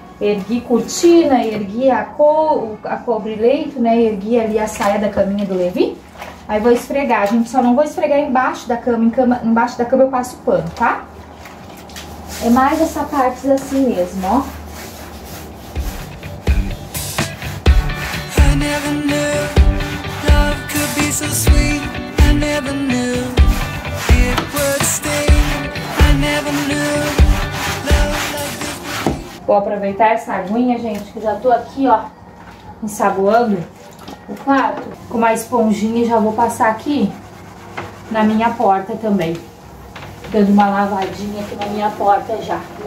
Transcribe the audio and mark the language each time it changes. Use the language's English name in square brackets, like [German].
[Portuguese] Ergui cortina, ergui a cobre-leito, né? Ergui ali a saia da caminha do Levi. Aí vou esfregar. A gente só não vou esfregar embaixo da cama. Embaixo da cama eu passo pano, tá? É mais essa parte assim mesmo, ó. [English] I never knew love could be so sweet. I never knew it would stay. I never knew. [Portuguese] Vou aproveitar essa aguinha, gente, que já tô aqui, ó, ensaboando o quarto. Com uma esponjinha já vou passar aqui na minha porta também. Dando uma lavadinha aqui na minha porta já.